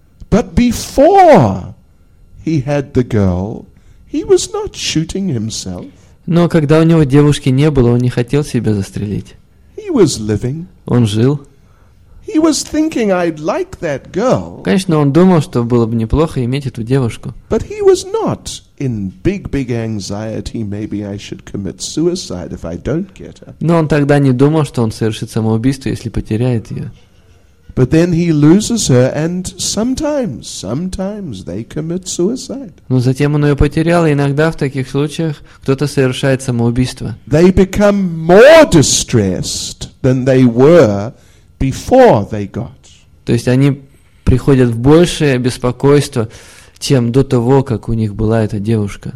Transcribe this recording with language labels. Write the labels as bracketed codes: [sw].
[en] But before he had the girl, he was not shooting himself. [ru] Но когда у него девушки не было, он не хотел себя застрелить. [en] He was living. [ru] Он жил. [en] He was thinking, I'd like that girl. [ru] Конечно, он думал, что было бы неплохо иметь эту девушку. [en] But he was not in big anxiety, maybe I should commit suicide if I don't get her. [ru] Но он тогда не думал, что он совершит самоубийство, если потеряет ее. [en] But then he loses her, and sometimes they commit suicide. [ru] Но затем он ее потерял, и иногда в таких случаях кто-то совершает самоубийство. [en] They become more distressed than they were before they got. [ru] То есть они приходят в большее беспокойство, чем до того, как у них была эта девушка.